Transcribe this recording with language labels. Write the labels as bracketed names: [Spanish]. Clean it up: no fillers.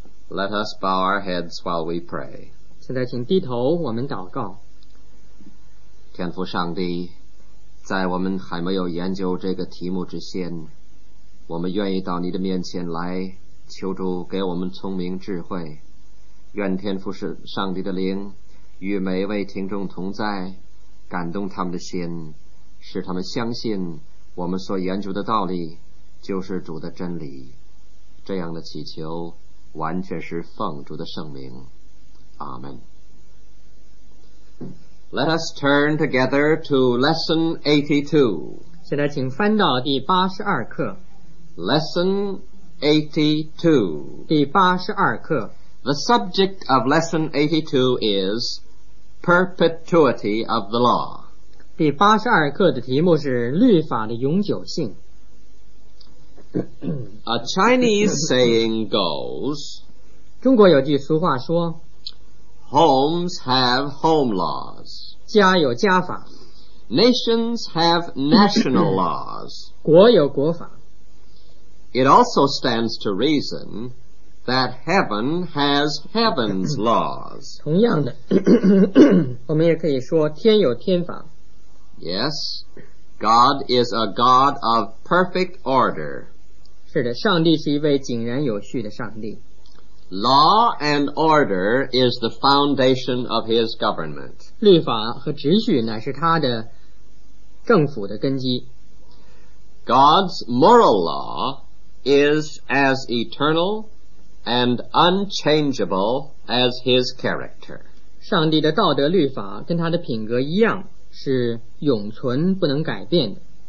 [English] Let us bow our heads while we pray. [Chinese] 现在请低头，我们祷告。天父上帝，在我们还没有研究这个题目之前，我们愿意到你的面前来，求主给我们聪明智慧。愿天父是上帝的灵与每一位听众同在，感动他们的心，使他们相信我们所研究的道理就是主的真理。这样的祈求完全是奉主的圣名，阿们。 [English] Let us turn together to Lesson 82. [Chinese] 现在请翻到第八十二课。 [English] Lesson 82. [Chinese] 第八十二课。 [English] The subject of Lesson 82 is Perpetuity of the Law. [Chinese] 第八十二课的题目是律法的永久性。 [English] A Chinese saying goes, [Chinese] 中国有句俗话说， [English] Homes have home laws. [Chinese] 家有家法。 [English] Nations have national laws. [Chinese] 国有国法。 [English] It also stands to reason that heaven has heaven's laws. [Chinese] 同样的，我们也可以说天有天法。 [English] Yes, God is a God of perfect order. [Chinese] 是的，上帝是一位井然有序的上帝。 [English] Law and order is the foundation of his government. [Chinese] 律法和秩序乃是他的政府的根基。 [English] God's moral law is as eternal and unchangeable as his character. [Chinese] 上帝的道德律法跟他的品格一样，是永存不能改变的。